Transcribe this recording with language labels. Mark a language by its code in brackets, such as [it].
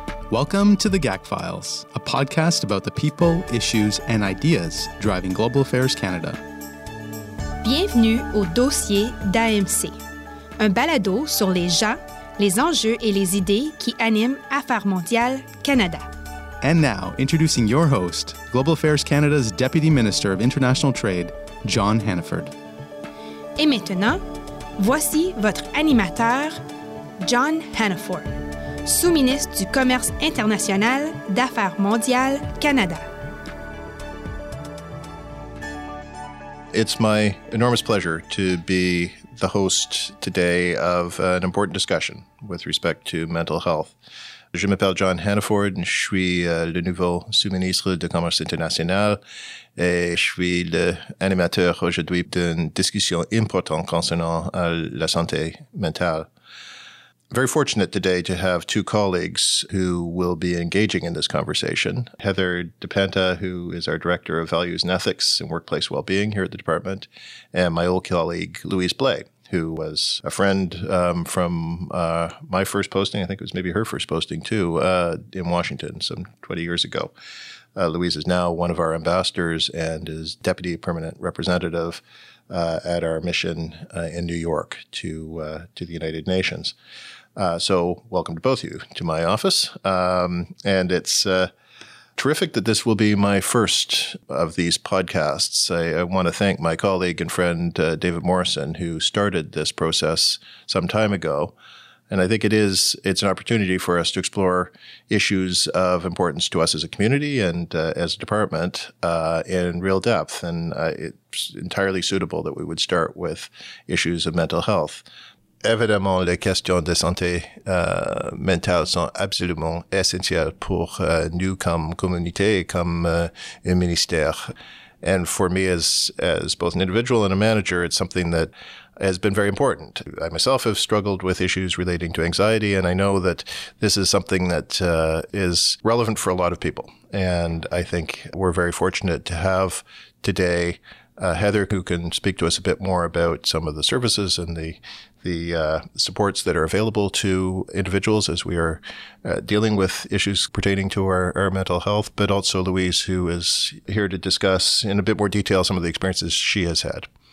[en] Welcome to The GAC Files, a podcast about the people, issues, and ideas driving Global Affairs Canada. [fr] Bienvenue au dossier d'AMC, un balado sur les gens, les enjeux et les idées qui animent Affaires mondiales Canada. [en] And now, introducing your host, Global Affairs Canada's Deputy Minister of International Trade, John Hannaford. [fr] Et maintenant, voici votre animateur, John Hannaford, sous-ministre du Commerce international d'Affaires mondiales Canada. [en] It's my enormous pleasure to be the host today of an important discussion with respect to mental health. [fr] Je m'appelle John Hannaford, je suis le nouveau sous-ministre du Commerce international et je suis l'animateur aujourd'hui d'une discussion importante concernant la santé mentale. [en] Very fortunate today to have two colleagues who will be engaging in this conversation. Heather DePenta, who is our Director of Values and Ethics and Workplace Wellbeing here at the Department, and my old colleague Louise Blay, who was a friend from my first posting. I think it was maybe her first posting too, in Washington some 20 years ago. Louise is now one of our ambassadors and is Deputy Permanent Representative at our mission in New York to the United Nations. So welcome to both of you to my office. And it's terrific that this will be my first of these podcasts. I want to thank my colleague and friend, David Morrison, who started this process some time ago. And I think it's an opportunity for us to explore issues of importance to us as a community and as a department in real depth. And it's entirely suitable that we would start with issues of mental health. [fr] Évidemment, les questions de santé mentale sont absolument essentielles pour nous comme communauté, comme un ministère. [en] And for me as both an individual and a manager, it's something that has been very important. I myself have struggled with issues relating to anxiety, and I know that this is something that is relevant for a lot of people. And I think we're very fortunate to have today Heather, who can speak to us a bit more about some of the services and the supports that are available to individuals as we are dealing with issues pertaining to our mental health, but also Louise, who is here to discuss in a bit more detail some of the experiences she has had.